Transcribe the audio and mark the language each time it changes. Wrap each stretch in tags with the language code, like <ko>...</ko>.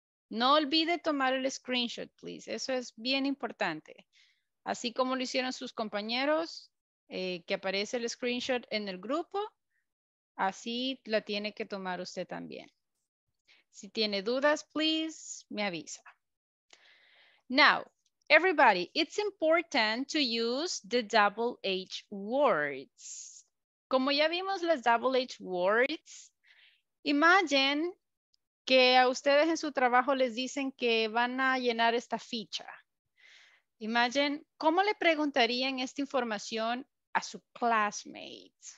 <es>No olvide tomar el screenshot,</es> <en>please.</en> <es>Eso es bien importante. Así como lo hicieron sus compañeros, que aparece el screenshot en el grupo, así la tiene que tomar usted también. Si tiene dudas,</es> <en>please,</en> <es>me avisa.</es> <en>Now, everybody, it's important to use the double H words.</en> <es>Como ya vimos las double H words, imagine que a ustedes en su trabajo les dicen que van a llenar esta ficha. Imagine, ¿cómo le preguntarían esta información a su classmate?</es>